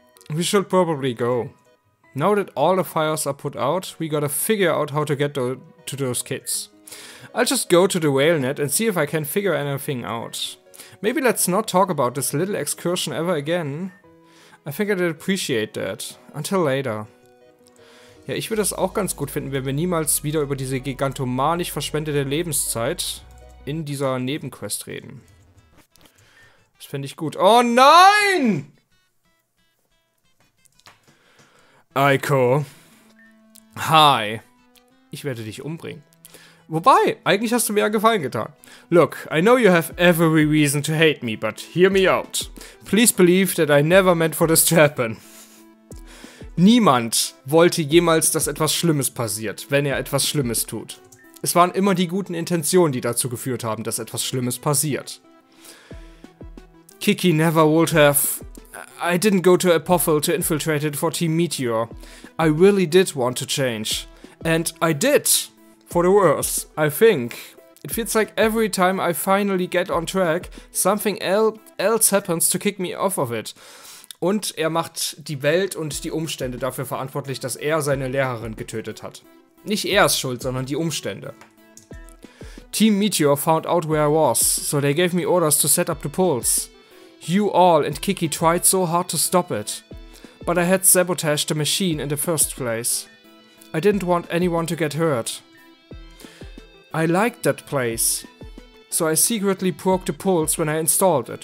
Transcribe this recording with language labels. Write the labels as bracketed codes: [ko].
[en] We should probably go. Now that all the fires are put out, we gotta figure out how to get to those kids. I'll just go to the whale net and see if I can figure anything out. Maybe let's not talk about this little excursion ever again. I think I'd appreciate that. Until later. [de] Ja, ich würde das auch ganz gut finden, wenn wir niemals wieder über diese gigantomanisch verschwendete Lebenszeit in dieser Nebenquest reden. Das fände ich gut. Oh nein! Aiko. Hi. Ich werde dich umbringen. Wobei, eigentlich hast du mir ja Gefallen getan. [en] Look, I know you have every reason to hate me, but hear me out. Please believe that I never meant for this to happen. [de] Niemand wollte jemals, dass etwas Schlimmes passiert, wenn er etwas Schlimmes tut. Es waren immer die guten Intentionen, die dazu geführt haben, dass etwas Schlimmes passiert. [en] Kiki never would have... I didn't go to Apophel to infiltrate it for Team Meteor. I really did want to change. And I did... For the worse, I think. It feels like every time I finally get on track, something else happens to kick me off of it. [de] Und er macht die Welt und die Umstände dafür verantwortlich, dass er seine Lehrerin getötet hat. Nicht er ist schuld, sondern die Umstände. [en] Team Meteor found out where I was, so they gave me orders to set up the pulse. You all and Kiki tried so hard to stop it. But I had sabotaged the machine in the first place. I didn't want anyone to get hurt. I liked that place, so I secretly broke the pulse when I installed it.